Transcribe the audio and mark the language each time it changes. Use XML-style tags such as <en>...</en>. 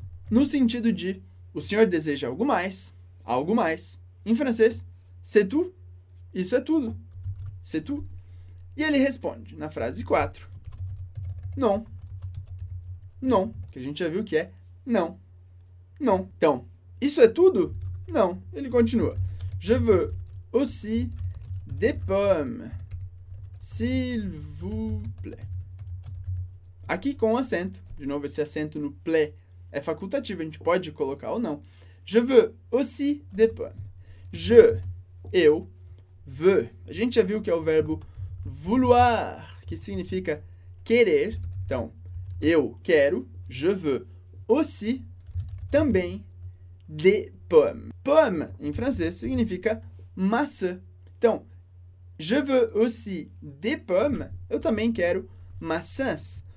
<pt>No sentido de o senhor deseja algo mais, em francês,</pt> <fr>c'est tout?</fr> <pt>Isso é tudo,</pt> <fr>c'est tout?</fr> <pt>E ele responde na frase 4, non, non, que a gente já viu que é não, não. Então, isso é tudo? Não, ele continua.</pt> <fr>Je veux aussi des pommes, s'il vous plaît.</fr> <pt>Aqui com acento, de novo esse acento no plaît é facultativo, a gente pode colocar ou não.</pt> <fr>Je veux aussi des pommes. Je, eu, veux.</fr> <pt>A gente já viu que é o verbo vouloir, que significa querer. Então, eu quero,</pt> <fr>je veux aussi,</fr> <pt>também, des pommes. Pomme, em francês, significa maçã. Então,</pt> <fr>je veux aussi des pommes,</fr> <pt>eu também quero maçãs.</pt>